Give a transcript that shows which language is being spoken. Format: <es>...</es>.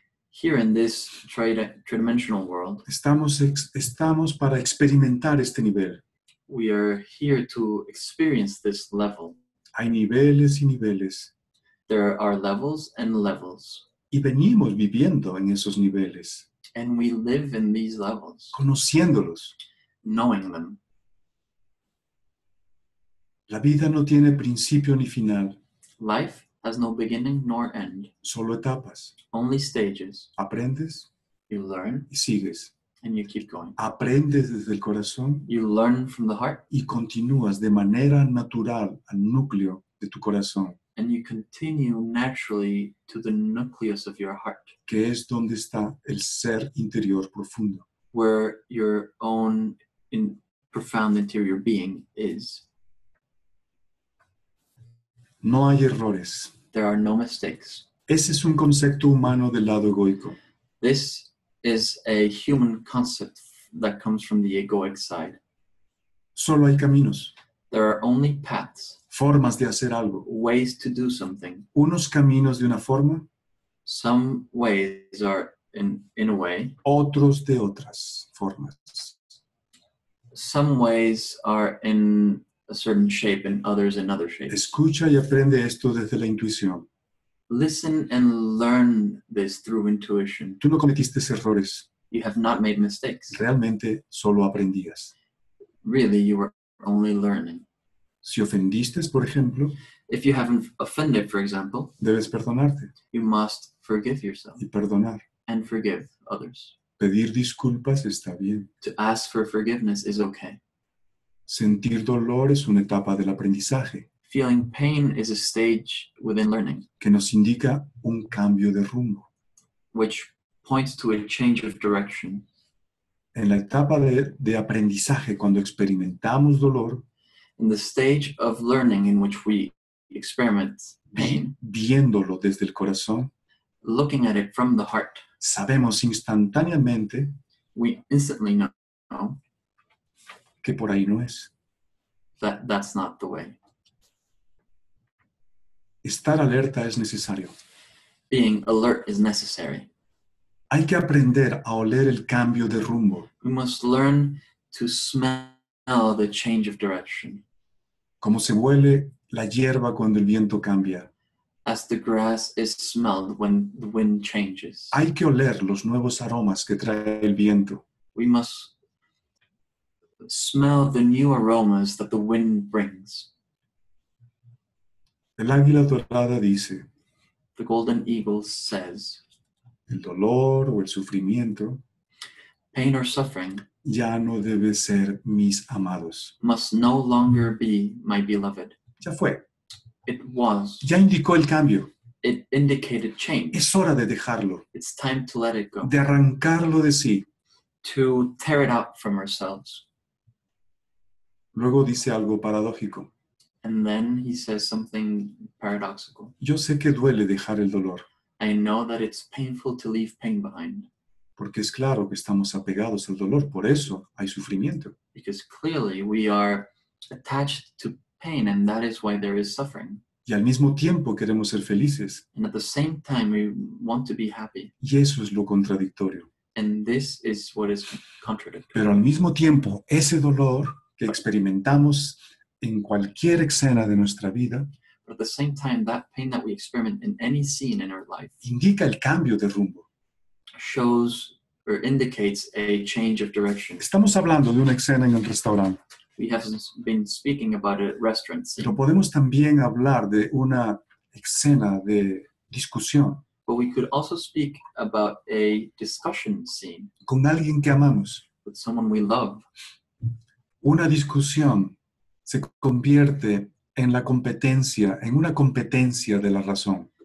<en>Here in this tridimensional world.</en> <es>Estamos para experimentar este nivel.</es> <en>We are here to experience this level.</en> <es>Hay niveles y niveles.</es> <en>There are levels and levels.</en> <es>Y venimos viviendo en esos niveles.</es> <en>And we live in these levels.</en> <es>Conociéndolos.</es> <en>Knowing them.</en> <es>La vida no tiene principio ni final.</es> <en>Life has no beginning nor end.</en> <es>Solo etapas.</es> <en>Only stages.</en> <es>Aprendes.</es> <en>You learn.</en> <es>Y sigues.</es> <en>And you keep going.</en> <es>Aprendes desde el corazón.</es> <en>You learn from the heart.</en> <es>Y continúas de manera natural al núcleo de tu corazón.</es> <en>And you continue naturally to the nucleus of your heart.</en> <es>Que es donde está el ser interior profundo.</es> <en>Where your own profound interior being is.</en> <es>No hay errores.</es> <en>There are no mistakes.</en> <es>Ese es un concepto humano del lado egoico.</es> <en>This is a human concept that comes from the egoic side.</en> <es>Solo hay caminos.</es> <en>There are only paths.</en> <es>Formas de hacer algo.</es> <en>Ways to do something.</en> <es>Unos caminos de una forma.</es> <en>Some ways are in a way.</en> <es>Otros de otras formas.</es> <en>Some ways are in a certain shape and others in other shapes.</en> <es>Escucha y aprende esto desde la intuición.</es> <en>Listen and learn this through intuition.</en> <es>Tú no cometiste errores.</es> <en>You have not made mistakes.</en> <es>Realmente solo aprendías.</es> <en>Really, you were only learning.</en> <es>Si ofendiste, por ejemplo,</es> <en>if you haven't offended, for example,</en> <es>debes perdonarte.</es> <en>You must forgive yourself.</en> <es>Y perdonar.</es> <en>And forgive others.</en> <es>Pedir disculpas está bien.</es> <en>To ask for forgiveness is okay.</en> <es>Sentir dolor es una etapa del aprendizaje.</es> <en>Feeling pain is a stage within learning.</en> <es>Que nos indica un cambio de rumbo.</es> <en>Which points to a change of direction.</en> <es>En la etapa de aprendizaje, cuando experimentamos dolor,</es> <en>in the stage of learning in which we experiment pain,</en> <es>viéndolo desde el corazón,</es> <en>looking at it from the heart,</en> <es>sabemos instantáneamente,</es> <en>we instantly know</en> <es>que por ahí no es.</es> <en>That's not the way.</en> <es>Estar alerta es necesario.</es> <en>Being alert is necessary.</en> <es>Hay que aprender a oler el cambio de rumbo.</es> <en>We must learn to smell the change of direction.</en> <es>Como se huele la hierba cuando el viento cambia.</es> <en>As the grass is smelled when the wind changes.</en> <es>Hay que oler los nuevos aromas que trae el viento.</es> <en>We must smell the new aromas that the wind brings.</en> <es>El águila dorada dice,</es> <en>the golden eagle says,</en> <es>el dolor o el sufrimiento,</es> <en>pain or suffering,</en> <es>ya no debe ser mis amados.</es> <en>Must no longer be my beloved.</en> <es>Ya fue.</es> <en>It was.</en> <es>Ya indicó el cambio.</es> <en>It indicated change.</en> <es>Es hora de dejarlo.</es> <en>It's time to let it go.</en> <es>De arrancarlo de sí.</es> <en>To tear it out from ourselves.</en> <es>Luego dice algo paradójico.</es> <en>And then he says something paradoxical.</en> <es>Yo sé que duele dejar el dolor.</es> <en>I know that it's painful to leave pain behind.</en> <es>Porque es claro que estamos apegados al dolor, por eso hay sufrimiento.</es> <en>Because clearly we are attached to pain and that is why there is suffering.</en> <es>Y al mismo tiempo queremos ser felices.</es> <en>And at the same time we want to be happy.</en> <es>Y eso es lo contradictorio.</es> <en>And this is what is contradictory.</en> <es>Pero al mismo tiempo ese dolor que experimentamos en cualquier escena de nuestra vida,</es> <en>but at the same time, that pain that we experiment in any scene in our life</en> <es>indica el cambio de rumbo.</es> <en>Shows or indicates a change of direction.</en> <es>Estamos hablando de una escena en el restaurante.</es> <en>We have been speaking about a restaurant scene.</en> <es>Pero podemos también hablar de una escena de discusión.</es> <en>But we could also speak about a discussion scene.</en> <es>Con alguien que amamos.</es> <en>With someone we love.</en> <es>Una discusión se convierte en la competencia, en una competencia de la razón.</es>